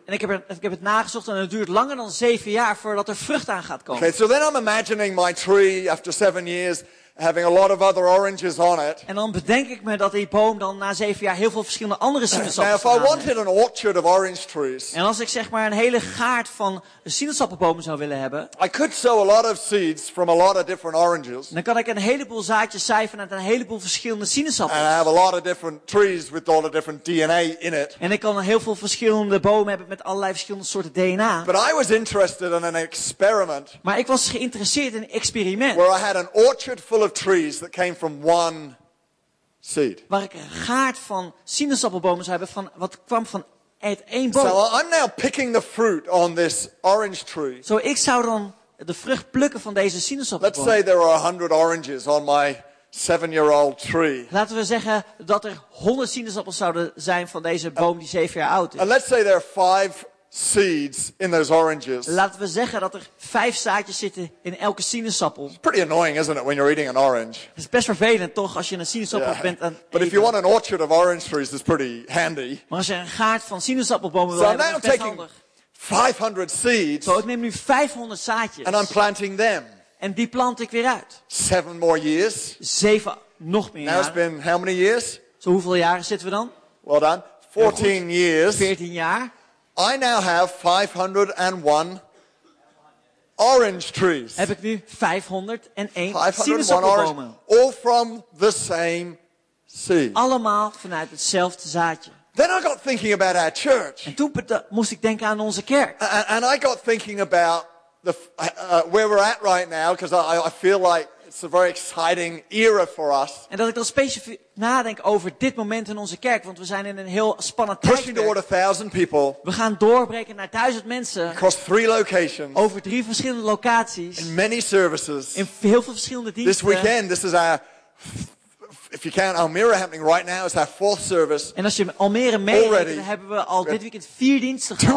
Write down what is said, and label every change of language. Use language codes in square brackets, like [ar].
[nl] En ik heb het nagezocht en het duurt langer dan 7 jaar voordat er vrucht aan gaat komen. [en] Okay, so then I'm imagining my tree after 7 years. Having a lot of other oranges on it. [nl] En dan bedenk ik me dat die boom dan na 7 jaar heel veel verschillende andere sinaasappels. [en] If I wanted an orchard of orange trees. [nl] En als ik zeg maar een hele gaard van sinaasappelbomen zou willen hebben. [en] I could sow a lot of seeds from a lot of different oranges. [nl] Dan kan ik een heleboel zaadjes zaaien uit een heleboel verschillende sinaasappels. [en] And I have a lot of different trees with all the different DNA in it. [nl] En ik kan heel veel verschillende bomen hebben met allerlei verschillende soorten DNA. [en] But I was interested in an experiment. [nl] Maar ik was geïnteresseerd in een experiment. [en] Where I had an orchard full of trees that came from one seed. [nl] Waar ik een gaard van sinaasappelbomen zou hebben van wat kwam van uit één boom. [en] So I'm now picking the fruit on this orange tree. [nl] Zo ik zou dan de vrucht plukken van deze sinaasappelboom. [en] Let's say there are 100 oranges on my 7-year-old tree. [nl] Laten we zeggen dat er 100 sinaasappels zouden zijn van deze boom die 7 jaar oud is. [en] And let's say there are 5 seeds in those oranges. [nl] Laten we zeggen dat er 5 zaadjes zitten in elke sinaasappel. [en] It's pretty annoying, isn't it, when you're eating an orange? [nl] Het is best vervelend toch als je een sinaasappel bent aan eten. [en] But if you want an orchard of orange trees, it's pretty handy. [nl] Maar als je een gaard van sinaasappelbomen wil hebben, is het best handig. [en] 500 seeds. [nl] Zo, ik neem nu 500 zaadjes. [en] And I'm planting them. [nl] En die plant ik weer uit. [en] 7 more years. [nl] 7 nog meer jaren. [en] Now it's been how many years? [nl] Zo hoeveel jaren zitten we dan? [en] Well done. 14 years. [nl] 14 jaar. [en] I now have 501 orange trees. [nl] Heb ik nu 501 sinaasappelbomen. [en] All from the same seed. [nl] Allemaal vanuit hetzelfde zaadje. [en] Then I got thinking about our church. [nl] En toen moest ik denken aan onze kerk. [en] And I got thinking about the where we're at right now, because I feel like it's a very exciting era for us. [nl] En dat ik dan specifiek nadenk over dit moment in onze kerk, want we zijn in een heel spannend tijdperk. [en] Pushing toward 1,000 people. [nl] We gaan doorbreken naar 1,000 mensen. [en] Across 3 locations. [nl] Over 3 verschillende locaties. [en] In many services. [nl] In heel veel verschillende diensten. [en] This weekend, this is our, if you count Almere happening right now, is our 4th service. [nl] En als je Almere meerekent, dan hebben we al dit weekend 4 diensten gehad.